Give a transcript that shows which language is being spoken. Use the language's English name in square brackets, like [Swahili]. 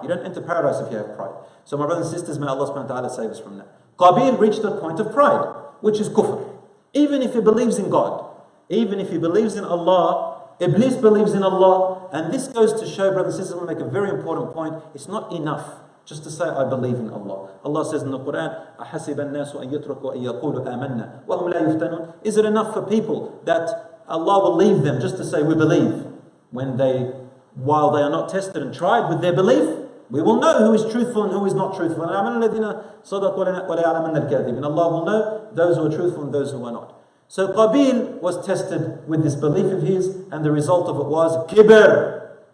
[English] You don't enter paradise if you have pride. So my brothers and sisters, may Allah subhanahu wa ta'ala save us from that. Qabil reached the point of pride, which is kufr. Even if he believes in God, even if he believes in Allah, Iblis believes in Allah. And this goes to show, brothers and sisters, I'm going to make a very important point. It's not enough just to say, I believe in Allah. [Arabic] Allah says in the Quran, أَحَسِبَ النَّاسُ أَن يَتْرَكُوا أَن يَقُولُوا آمَنَّا وَهُمْ لَا يُفْتَنُونَ. [English] Is it enough for people that Allah will leave them just to say, we believe, when they, while they are not tested and tried with their belief? We will know who is truthful and who is not truthful. And Allah will know those who are truthful and those who are not. So Qabil was tested with this belief of his, and the result of it was kibir.